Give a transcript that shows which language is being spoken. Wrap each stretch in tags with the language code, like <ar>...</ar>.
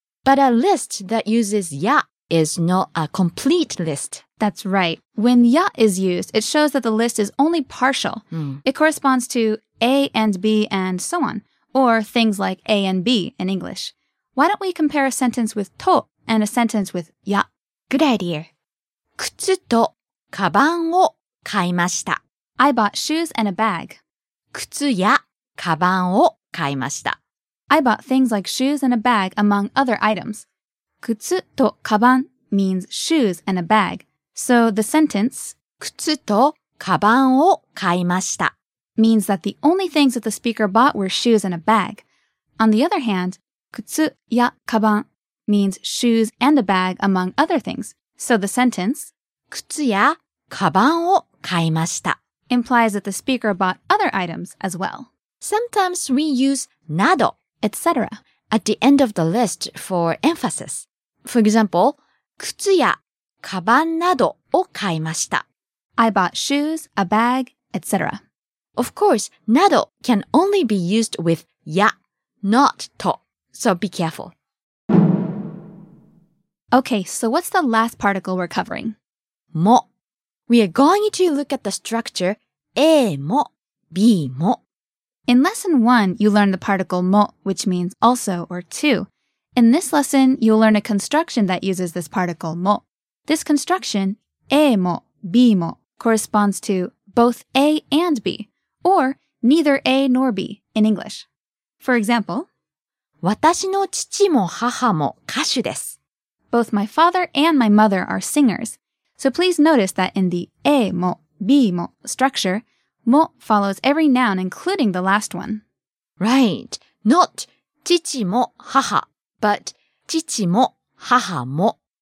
<en>But a list that uses や is not a complete list. That's right. When や is used, it shows that the list is only partial. Mm. It corresponds to A and B and so on, or things like A and B in English. Why don't we compare a sentence with と and a sentence with や? Good idea.</en> <ja>靴とカバンを買いました。</ja> <en>I bought shoes and a bag.</en> <ja>靴やカバンを買いました。</ja> <en>I bought things like shoes and a bag, among other items.</en> <ja>靴とカバン</ja> <en>means shoes and a bag. So the sentence</en> <ja>靴とカバンを買いました</ja> <en>means that the only things that the speaker bought were shoes and a bag. On the other hand,</en> <ja>靴やカバン</ja> <en>means shoes and a bag, among other things. So the sentence</en> <ja>靴やカバンを買いました</ja> <en>implies that the speaker bought other items as well. Sometimes we use など, etc. at the end of the list for emphasis. For example,</en> <ja>靴やカバンなどを買いました。</ja> <en>I bought shoes, a bag, etc. Of course, など can only be used with や, not と.So be careful. Okay, so what's the last particle we're covering? も.We are going to look at the structureA も B も. In lesson 1, you learn the particle も, which means also or to. In this lesson, you'll learn a construction that uses this particle も. This construction, A も B も, corresponds to both A and B, or neither A nor B in English. For example,</en> <ja>私の父も母も歌手です.</ja> <en>Both my father and my mother are singers. So please notice that in the A もB も structure, も follows every noun, including the last one. Right. Not</en> <ja>父も母,</ja> <en>but</en> <ja>父も母も.</ja>